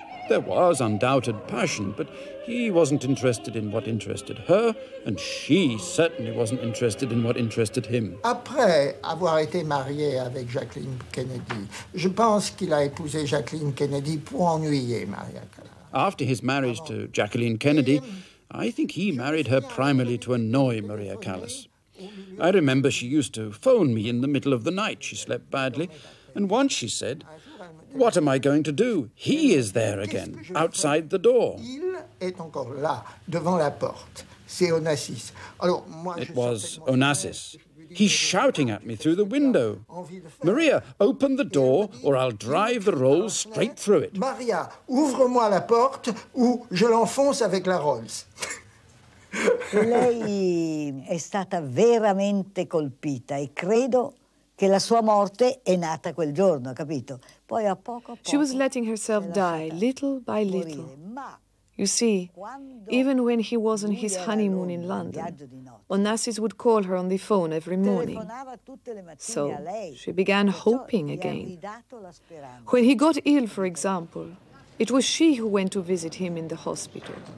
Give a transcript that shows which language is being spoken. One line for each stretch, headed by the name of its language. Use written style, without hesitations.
English: There was undoubted passion, but he wasn't interested in what interested her, and she certainly wasn't interested in what interested him.
French: Après avoir été marié avec Jacqueline Kennedy, je pense qu'il a épousé Jacqueline Kennedy pour ennuyer Maria Callas.
English: After his marriage to Jacqueline Kennedy, I think he married her primarily to annoy Maria Callas. I remember she used to phone me in the middle of the night. She slept badly. And once she said, what am I going to do? He is there again, outside the door. It was Onassis. He's shouting at me through the window. Maria, open the door or I'll drive the Rolls straight through it.
French: Maria, ouvre-moi la porte ou je l'enfonce avec la Rolls.
Italian: Lei è stata veramente colpita e credo che la sua morte è nata quel giorno, capito? Poi a poco a poco.
English: She was letting herself die little by little. You see, even when he was on his honeymoon in London, Onassis would call her on the phone every morning. So she began hoping again. When he got ill, for example, it was she who went to visit him in the hospital.